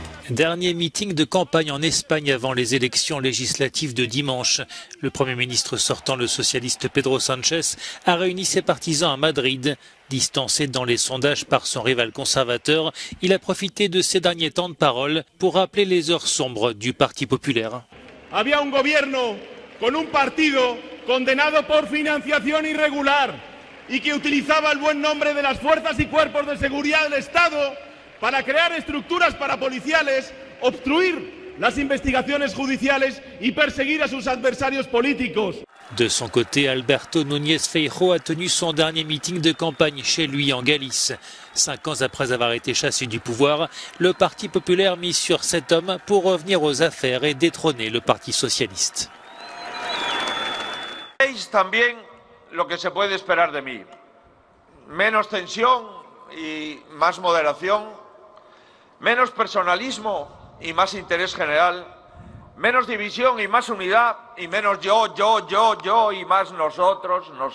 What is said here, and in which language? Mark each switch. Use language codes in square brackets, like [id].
[fr] Dernier meeting de campagne en Espagne avant les élections législatives de dimanche. Le Premier ministre sortant, le socialiste Pedro Sanchez, a réuni ses partisans à Madrid. Distancé dans les sondages par son rival conservateur, il a profité de ses derniers temps de parole pour rappeler les heures sombres du Parti populaire. [es] Había un gobierno con un partido condenado por financiación irregular y que utilizaba el buen nombre de las fuerzas y cuerpos de seguridad del Estado para crear estructuras parapoliciales, obstruir las investigaciones judiciales y perseguir a sus adversarios políticos. [fr] De son côté, Alberto Núñez Feijóo a tenu son dernier meeting de campagne chez lui en Galice. 5 ans après avoir été chassé du pouvoir, le Parti populaire mise sur cet homme pour revenir aux affaires et détrôner le Parti socialiste. [es] Veis también lo que se puede esperar de mí. menos tensión y más moderación, menos personalismo y más interés general, menos división y más unidad, y menos yo, y más nosotros.